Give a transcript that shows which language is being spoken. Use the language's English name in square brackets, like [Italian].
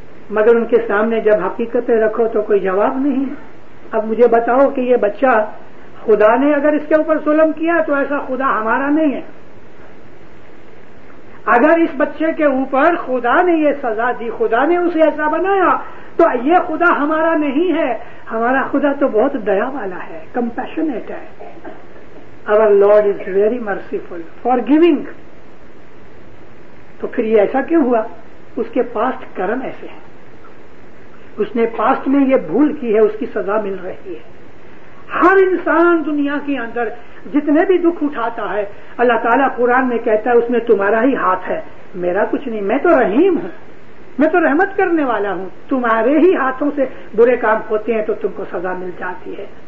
[Urdu] مگر ان کے سامنے جب حقیقتیں رکھو تو کوئی جواب نہیں. اب مجھے بتاؤ کہ یہ بچہ خدا نے اگر اس کے اوپر ظلم کیا تو ایسا خدا ہمارا نہیں ہے. اگر اس بچے کے اوپر خدا نے یہ سزا دی، خدا نے اسے ایسا بنایا، تو یہ خدا ہمارا نہیں ہے. ہمارا خدا تو بہت دیا والا ہے، کمپیشنیٹ ہے. [English] Our Lord is very merciful, forgiving. [Urdu] تو پھر یہ ایسا کیوں ہوا؟ اس کے پاسٹ کرم ایسے ہیں، اس نے پاسٹ میں یہ بھول کی ہے اس کی سزا مل رہی ہے. ہر انسان دنیا کے اندر جتنے بھی دکھ اٹھاتا ہے اللہ تعالیٰ قرآن میں کہتا ہے اس میں تمہارا ہی ہاتھ ہے, میرا کچھ نہیں, میں تو رحیم ہوں, میں تو رحمت کرنے والا ہوں, تمہارے ہی ہاتھوں سے برے کام ہوتے ہیں تو تم کو سزا مل جاتی ہے.